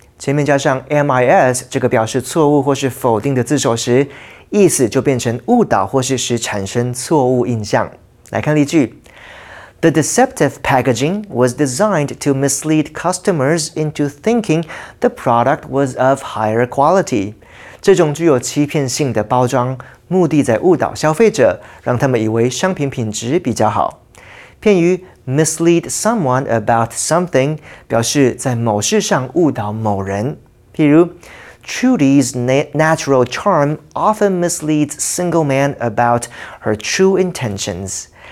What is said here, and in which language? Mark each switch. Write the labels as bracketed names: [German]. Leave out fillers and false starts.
[Chinese] 前面加上 MIS 这个表示错误或是否定的字首时，意思就变成误导或是使产生错误印象。 [English] 来看例句 ：The deceptive packaging was designed to mislead customers into thinking the product was of higher quality。 [Chinese] 这种具有欺骗性的包装，目的在误导消费者，让他们以为商品品质比较好。片语 mislead someone about something 表示在某事上误导某人。 [English] 譬如 Trudy's natural charm often misleads single men about her true intentions.